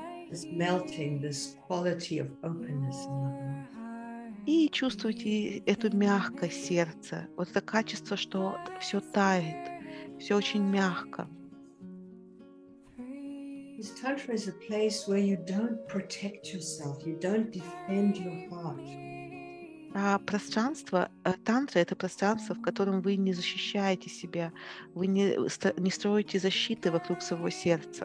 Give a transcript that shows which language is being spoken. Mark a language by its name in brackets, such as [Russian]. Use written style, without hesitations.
[English] This melting, this quality of openness in the heart. [Russian] И чувствуйте эту мягкость сердца. Вот это качество, что все тает, все очень мягко. [English] This tantra is a place where you don't protect yourself, you don't defend your heart. [Russian] А пространство, тантра — это пространство, в котором вы не защищаете себя, вы не строите защиты вокруг своего сердца.